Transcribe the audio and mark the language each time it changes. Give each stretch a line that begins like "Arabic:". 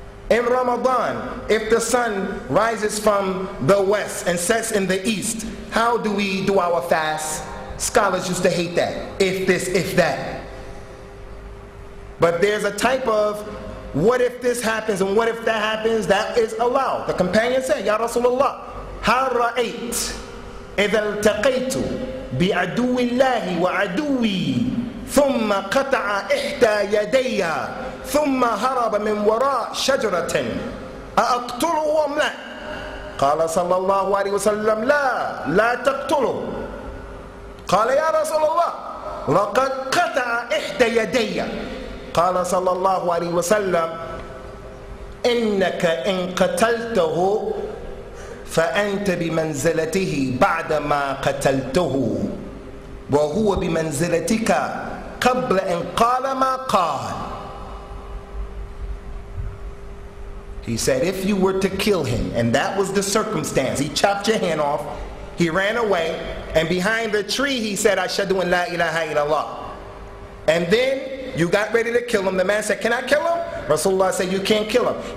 English: In Ramadan, if the sun rises from the west and sets in the east, how do we do our fast? Scholars used to hate that. If this, if that. But there's a type of what if this happens and what if that happens that is allowed. The companion said, Ya Rasulullah, Harra 8.
Arabic: إذا التقيت بعدو الله وعدوي ثم قطع إحدى يدي ثم هرب من وراء شجرة أأقتله أم لا؟ قال صلى الله عليه وسلم لا لا تقتله. قال يا رسول الله لقد قطع إحدى يدي. قال صلى الله عليه وسلم إنك إن قتلته فأنت بمنزلته بعدما قتلته وهو بمنزلتك قبل أن قال ما قال.
English: He said, if you were to kill him, and that was the circumstance, he chopped your hand off, he ran away, and behind the tree he said,
Arabic: Ashhadu an la ilaha illallah.
English: And then you got ready to kill him. The man said, can I kill him? Rasulullah said, you can't kill him.